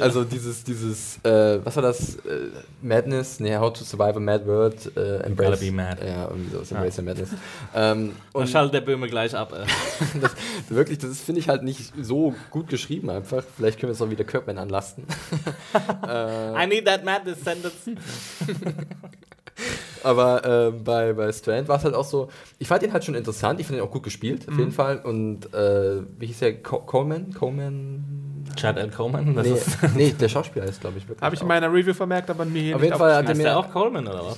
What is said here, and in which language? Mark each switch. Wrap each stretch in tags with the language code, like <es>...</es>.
<de>Also dieses was war das? Madness? Nee, How to Survive a Mad World.</de> <en>Embrace. Gotta be mad.</en> <de>Ja, irgendwie sowas. Embrace the Madness. Und schaltet der Böhme gleich ab. das finde ich halt nicht so gut geschrieben einfach. Vielleicht können wir es auch wieder Kirkman anlasten.</de> <en>I need that madness sentence.</en> <de>Aber bei Strand war es halt auch so, ich fand ihn halt schon interessant, ich fand ihn auch gut gespielt, auf jeden Fall. Und wie hieß der? Coleman? Chad L. Coleman? Der Schauspieler ist, glaube ich, wirklich. Habe ich in meiner Review vermerkt, aber mir auf jeden Fall hat er mir. Ist der auch Coleman oder was?</de>